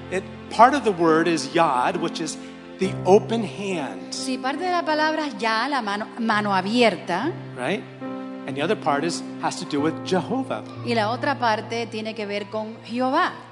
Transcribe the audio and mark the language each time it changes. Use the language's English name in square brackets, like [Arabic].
[English] It, part of the word is yad, which is the open hand. [Spanish] Sí, parte de la palabra es ya, la mano, mano abierta. [English] Right? And the other part is, has to do with Jehovah. [Spanish] Y la otra parte tiene que ver con Jehová.